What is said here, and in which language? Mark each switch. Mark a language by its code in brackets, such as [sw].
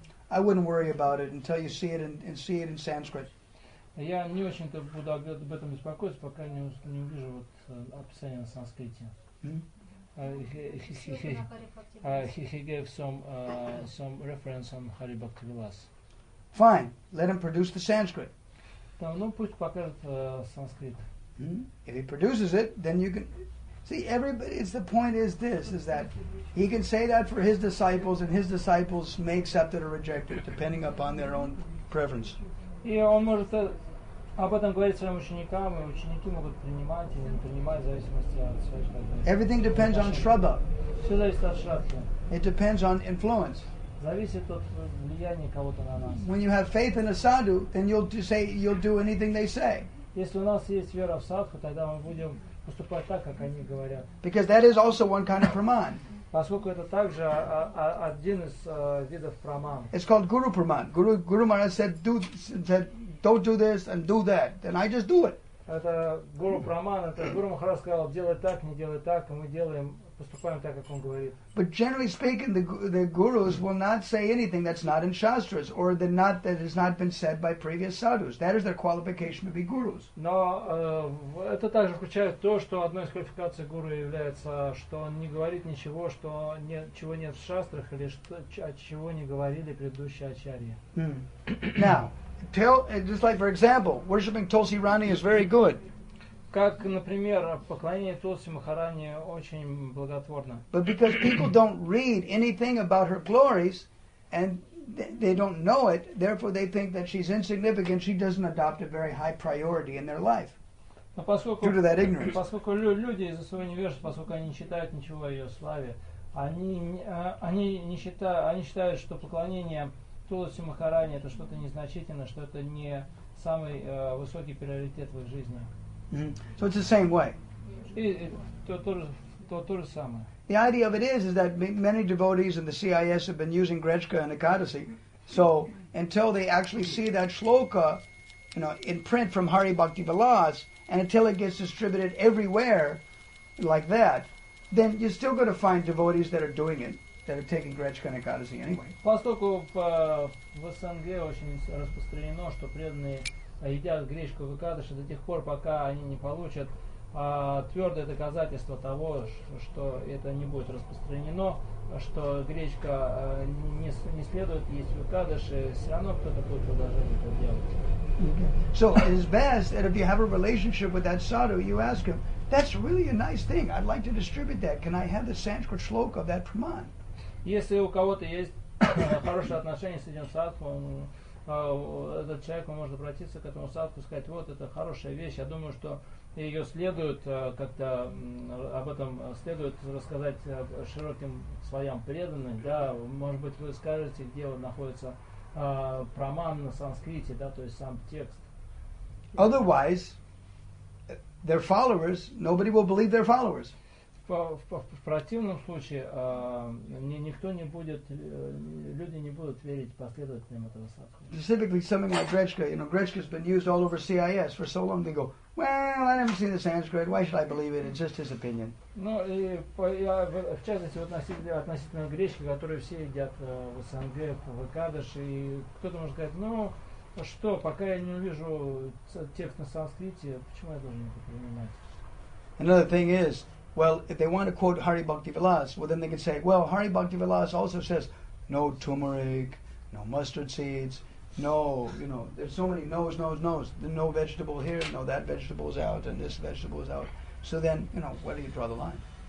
[en] I wouldn't worry about it until you see it and see it in Sanskrit. [ru] Я не очень-то буду об этом беспокоиться, пока не увижу вот описание на санскрите. [en] He gave some reference on Hari Bhakti Vilas. Fine, let him produce the Sanskrit. [ru] Ну пусть покажет санскрит. [en] If he produces it, then you can see everybody. It's the point is this: is that he can say that for his disciples, and his disciples may accept it or reject it depending upon their own preference. [ru] Об этом говорить своим ученикам, и ученики могут принимать или не принимать в зависимости от своих родителей. [en] Everything depends on Shraddha. [ru] Все зависит от Shraddha. [en] It depends on influence. [ru] Зависит от влияния кого-то на нас. [en] When you have faith in a sadhu, then you'll do anything they say. [ru] Если у нас есть вера в садху, тогда мы будем поступать так, как они говорят. [en] Because that is also one kind of praman. [ru] Поскольку это также один из видов праман. [en] It's called Guru Praman. Guru Maharaj said, don't do this and do that. Then I just do it. [ru] Это Гуру Праман, это Гуру Махарадж сказал, делай так, не делай так, и мы делаем, поступаем так, как он говорит. [en] But generally speaking, the gurus will not say anything that's not in shastras or that has not been said by previous sadhus. That is their qualification to be gurus. [ru] Но это также включает то, что одной из квалификаций гуру является, что он не говорит ничего, что чего нет в шастрах или чего не говорили предыдущие ачарьи. [en] Now. Just like, for example, worshipping Tulsi Rani is very good. [ru] Как, например, поклонение Тулси Махарани очень благотворно. [en] But because people don't read anything about her glories, and they don't know it, therefore they think that she's insignificant, she doesn't adopt a very high priority in their life. Due to that ignorance. [ru] Поскольку люди из-за своего невежества, поскольку они не читают ничего о ее славе, они считают, что поклонение Тулси Махарани это что-то незначительное, что это не самый высокий приоритет в их жизни. [en] So it's the same way. [ru] То же самое. [en] The idea of it is that many devotees in the CIS have been using Grechka and Ekadasi. So until they actually see that shloka, you know, in print from Hari Bhakti Vilas, and until it gets distributed everywhere like that, then you're still going to find devotees that are doing it, that are taking Grechka Nikadasi anyway. [ru] Поскольку в СНГ очень распространено, что преданные едят гречку в Экадаши до тех пор, пока они не получат твердое доказательство того, что это не будет распространено, что гречка не следует есть в Экадаши, все равно кто-то будет продолжать это делать. [en] So it is best that if you have a relationship with that sadhu, you ask him, that's really a nice thing, I'd like to distribute that, can I have the Sanskrit shloka of that praman? [ru] Если у кого-то есть хорошее отношение с этим садху, этот человек может обратиться к этому садху и сказать, вот это хорошая вещь, я думаю, что ее следует как-то об этом следует рассказать широким слоям преданных, да, может быть, вы скажете, где вот находится праман на санскрите, да, то есть сам текст. [en] Otherwise, their followers, nobody will believe their followers. [ru] В противном случае никто не будет, люди не будут верить последователям этого садху. [en] Specifically something like Grechka, you know, Grechka has been used all over CIS for so long, they go, well, I haven't seen the Sanskrit, why should I believe it? It's just his opinion. [ru] Ну и в частности относительно Гречки, которую все едят в СНГ, в Экадаши, и кто-то может сказать, ну что, пока я не увижу текст на санскрите, почему я должен это принимать? [en] Another thing is, well, if they want to quote Hari Bhakti Vilas, well, then they can say, well, Hari Bhakti Vilas also says, no turmeric, no mustard seeds, no, you know, there's so many no's. No vegetable here, no, that vegetable's out, and this vegetable's out. So then, you know, where do you draw the line?